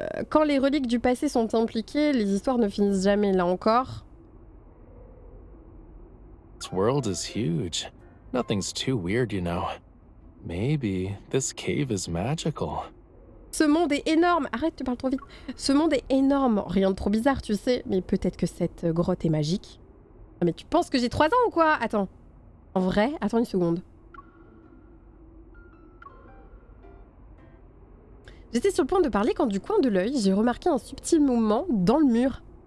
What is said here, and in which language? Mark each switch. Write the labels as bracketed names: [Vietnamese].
[French] Quand les reliques du passé sont impliquées, les histoires ne finissent jamais, là encore. [English] This world is huge. Nothing's too weird, you know. Maybe this cave is magical. [French] Ce monde est énorme. Arrête, tu parles trop vite. Ce monde est énorme. Rien de trop bizarre, tu sais. Mais peut-être que cette grotte est magique. Ah, mais tu penses que j'ai 3 ans ou quoi? Attends. En vrai? Attends une seconde. J'étais sur le point de parler quand du coin de l'œil, j'ai remarqué un subtil mouvement dans le mur.